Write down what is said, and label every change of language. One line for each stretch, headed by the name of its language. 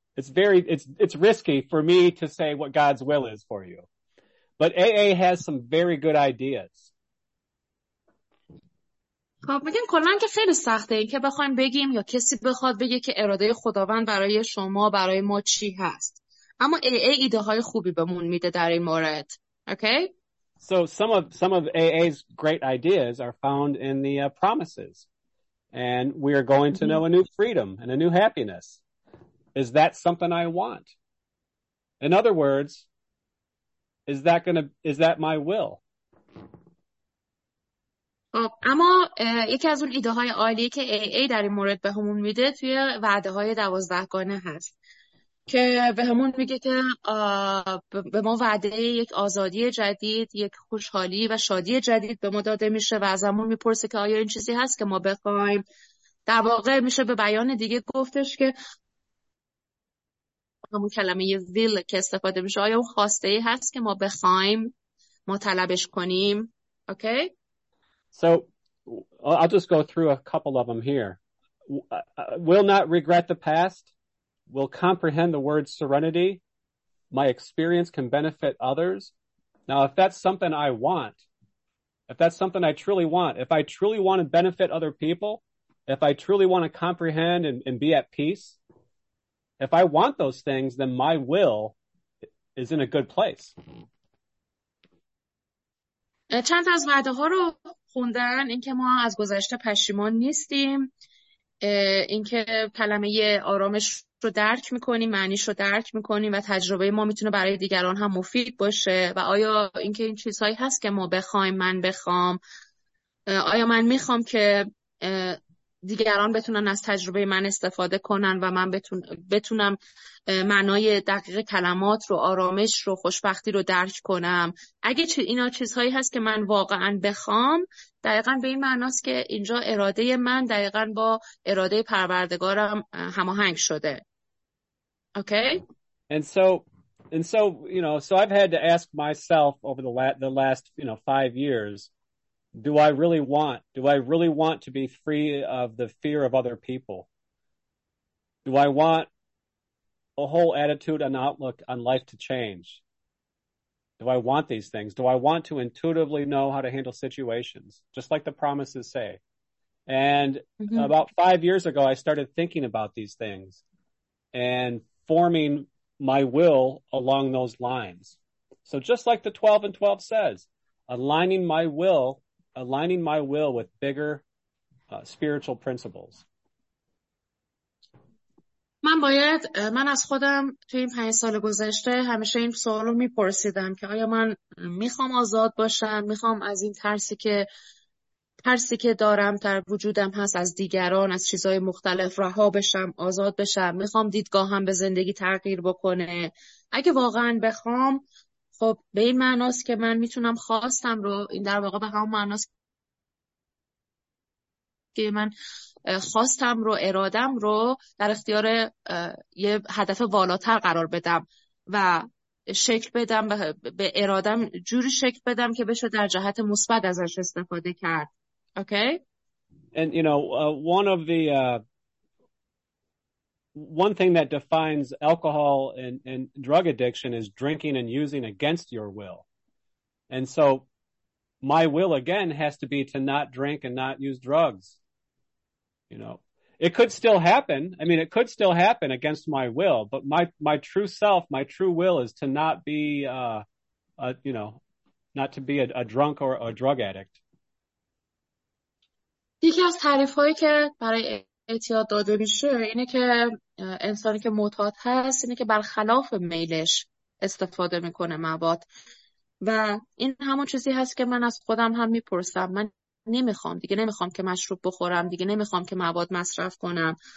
English: It's risky for me to say what God's will is for you. But AA has some very good ideas.
Persian: خب میگم کلا که خیلی سخته این که بخوایم بگیم یا کسی بخواد بگه که اراده خداوند برای شما برای ما چی هست. اما AA ایده های خوبی بهمون میده در این مورد.
English: Okay? So some of AA's great ideas are found in the promises. And we are going to know a new freedom and a new happiness. Is that something I want? In other words, is that my will?
Persian: خب اما یکی از اون ایده های عالی که AA در این مورد به همون میده توی وعده های 12 گانه هست که به همون میگه که به ما وعده یک آزادی جدید، یک خوشحالی و شادی جدید به ما داده میشه و از همون میپرسه که آیا این چیزی هست که ما بخوایم. در واقع میشه به بیان دیگه گفتش که همون کلمه یه ویل که استفاده میشه، آیا اون خواسته ای هست که ما بخوایم، ما طلبش کنیم. اوکی؟
English: So I'll just go through a couple of them here. Will not regret the past. Will comprehend the word serenity. My experience can benefit others. Now, if that's something I want, if that's something I truly want, if I truly want to benefit other people, if I truly want to comprehend and be at peace, if I want those things, then my will is in a good place.
Persian: چند از وعده ها رو خوندن، اینکه ما از گذشته پشیمان نیستیم، اینکه کلمه آرامش رو درک میکنیم، معنیش رو درک میکنیم و تجربه ما میتونه برای دیگران هم مفید باشه، و آیا اینکه این چیزهایی هست که ما بخوایم، من بخوام، آیا من میخوام که دیگران بتونن از تجربه من استفاده کنن و من بتونم معنای دقیق کلمات رو، آرامش رو، خوشبختی رو درک کنم. اگه اینا چیزهایی هست که من واقعا بخوام، دقیقا به این معناست که اینجا اراده من دقیقا با اراده پروردگارم هماهنگ شده. اوکی؟
English: And so I've had to ask myself over the last, you know, 5 years, Do I really want to be free of the fear of other people? Do I want a whole attitude and outlook on life to change? Do I want these things? Do I want to intuitively know how to handle situations, just like the promises say? And mm-hmm. about 5 years ago, I started thinking about these things and forming my will along those lines. So just like the 12 and 12 says, aligning my will with bigger spiritual principles.
Persian: من از خودم توی این 5 سال گذشته همیشه این سوال رو میپرسیدم که آیا من میخوام آزاد باشم، میخوام از این ترسی که دارم در وجودم هست از دیگران، از چیزهای مختلف رها بشم، آزاد بشم، میخوام دیدگاهم به زندگی تغییر بکنه. اگه واقعا بخوام، خب به این معناست که من میتونم خواستم رو، این در واقع به همون معناست که من خواستم رو، ارادم رو در اختیار یه هدف والاتر قرار بدم و شکل بدم، به ارادم جوری شکل بدم که بشه در جهت مثبت ازش استفاده کرد. اوکی؟
English: And you know, one thing that defines alcohol and drug addiction is drinking and using against your will. And so my will again has to be to not drink and not use drugs. You know, it could still happen. I mean, it could still happen against my will, but my true self, my true will is to not be, not to be a drunk or a drug addict.
Persian: یکی از تعریف‌هایی که برای اعتیاد داده میشه اینه که انسانی که معتاد هست اینه که برخلاف میلش استفاده میکنه مواد، و این همون چیزی هست که من از خودم هم میپرسم. من نمیخوام، دیگه نمیخوام که مشروب بخورم، دیگه نمیخوام که مواد مصرف کنم.